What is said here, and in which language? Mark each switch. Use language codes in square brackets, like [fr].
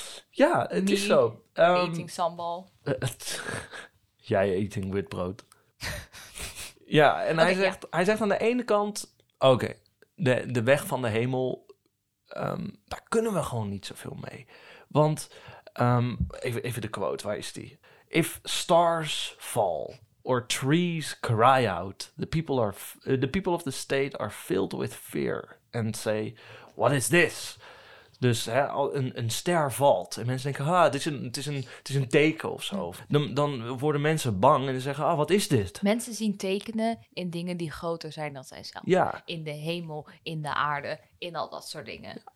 [nl] Ja, het is zo. [en] Eating sambal. [nl] Jij eating witbrood. Ja, en hij zegt aan de ene kant, oké, de weg van de hemel, daar kunnen we gewoon niet zoveel mee. Want, even de quote, waar is die? [en] If stars fall or trees cry out, the people of the state are filled with fear and say, what is this? [nl] Dus hè, een ster valt. En mensen denken, het is een teken of zo. Dan worden mensen bang en zeggen, wat is dit? Mensen zien tekenen in dingen die groter zijn dan zijzelf. Ja. In de hemel, in de aarde, in al dat soort dingen.